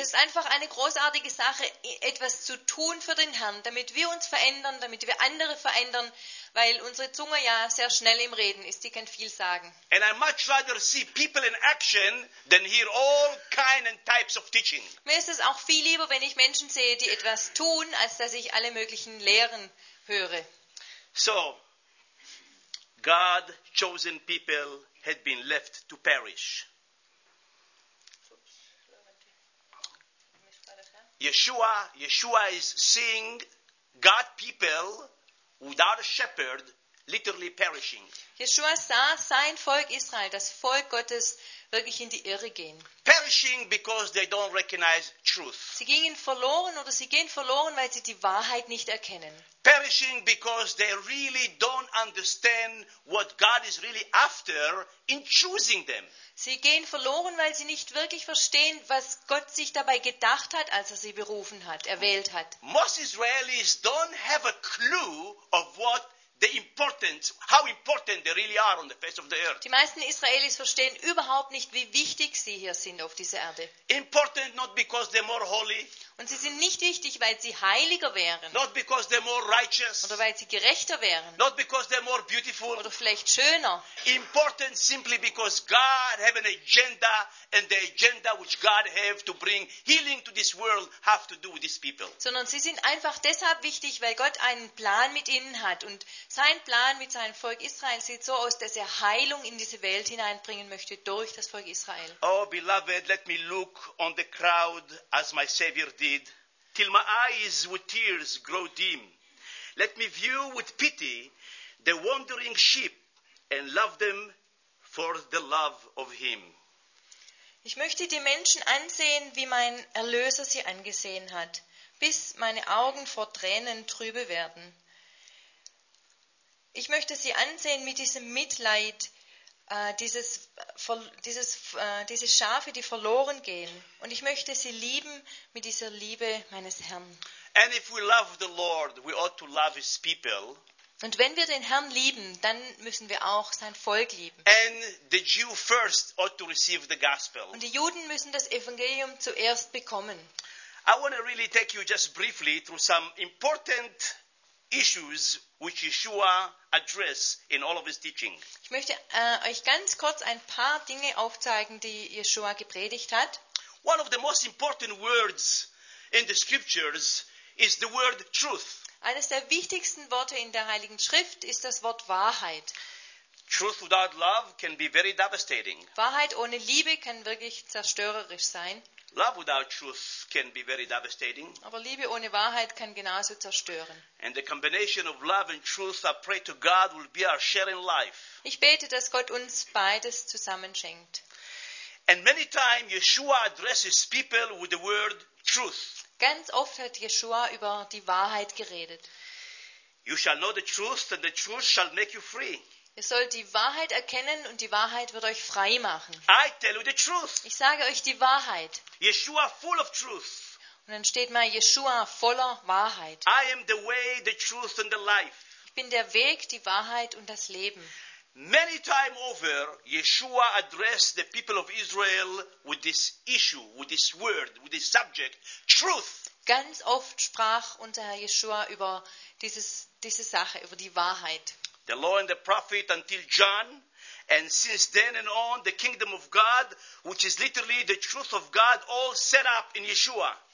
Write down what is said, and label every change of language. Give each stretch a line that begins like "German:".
German: Und es ist einfach eine großartige Sache, etwas zu tun für den Herrn, damit wir uns verändern, damit wir andere verändern, weil unsere Zunge ja sehr schnell im Reden ist, die kann viel sagen.
English: And I much rather see people in action than hear all kinds and types of teaching.
German: Mir ist es auch viel lieber, wenn ich Menschen sehe, die etwas tun, als dass ich alle möglichen Lehren höre.
English: So, God's chosen people had been left to perish. Yeshua is seeing God's people without a shepherd literally perishing.
German: Yeshua sah sein Volk Israel, das Volk Gottes, wirklich in die Irre gehen.
English: Perishing because they don't recognize truth.
German: Sie gingen verloren oder sie gehen verloren, weil sie die Wahrheit nicht erkennen.
English: Perishing because they really don't understand what God is really after in choosing them.
German: Sie gehen verloren, weil sie nicht wirklich verstehen, was Gott sich dabei gedacht hat, als er sie berufen hat, erwählt hat.
English: Most Israelis don't have a clue of what the importance, how important they really are on the face of the earth.
German: Die meisten Israelis verstehen überhaupt nicht, wie wichtig sie hier sind auf dieser Erde.
English: Important not because they're more holy.
German: Und sie sind nicht wichtig, weil sie heiliger wären.
English: Not because they're more righteous.
German: Oder weil sie gerechter wären.
English: Not because they're more beautiful.
German: Oder vielleicht schöner.
English: Important simply because God have an agenda, and the agenda which God have to bring healing to this world have to do with these people.
German: Sondern sie sind einfach deshalb wichtig, weil Gott einen Plan mit ihnen hat. Und sein Plan mit seinem Volk Israel sieht so aus, dass er Heilung in diese Welt hineinbringen möchte durch das Volk Israel.
English: Oh, beloved, let me look on the crowd as my Savior did, till my eyes with tears grow dim. Let me view with pity the wandering sheep and love them for the love of him.
German: Ich möchte die Menschen ansehen, wie mein Erlöser sie angesehen hat, bis meine Augen vor Tränen trübe werden. Ich möchte sie ansehen mit diesem Mitleid, diese Schafe, die verloren gehen. Und ich möchte sie lieben mit dieser Liebe meines Herrn.
English: And if we love the Lord, we ought to love his people.
German: Und wenn wir den Herrn lieben, dann müssen wir auch sein Volk lieben.
English: And the Jew first ought to receive the gospel.
German: Und die Juden müssen das Evangelium zuerst bekommen.
English: I want to really take you just briefly through some important issues which Yeshua addressed in all of his teaching.
German: Ich möchte euch ganz kurz ein paar Dinge aufzeigen, die Yeshua gepredigt hat.
English: One of the most important words in the scriptures is the word truth.
German: Eines der wichtigsten Worte in der Heiligen Schrift ist das Wort Wahrheit.
English: Truth without love can be very devastating.
German: Wahrheit ohne Liebe kann wirklich zerstörerisch sein.
English: Love without truth can be very devastating.
German: Aber Liebe ohne Wahrheit kann genauso zerstören.
English: And the combination of love and truth, I pray to God, will be our share in life.
German: Ich bete, dass Gott uns beides zusammenschenkt.
English: And many times Yeshua addresses people with the word truth.
German: Ganz oft hat Yeshua über die Wahrheit geredet.
English: You shall know the truth, and the truth shall make you free.
German: Ihr sollt die Wahrheit erkennen und die Wahrheit wird euch frei machen.
English: I tell you the truth.
German: Ich sage euch die Wahrheit.
English: Yeshua full of truth.
German: Und dann steht mal Yeshua voller Wahrheit.
English: I am the way, the truth and the life.
German: Ich bin der Weg, die Wahrheit und das Leben.
English: Many time over, Yeshua addressed the people of Israel with this issue, with this word, with this subject, truth.
German: Ganz oft sprach unser Herr Yeshua über diese Sache, über die Wahrheit.
English: The law and the prophet until John, and since then and on, the kingdom of God, which is literally the truth of God, all set up in Yeshua.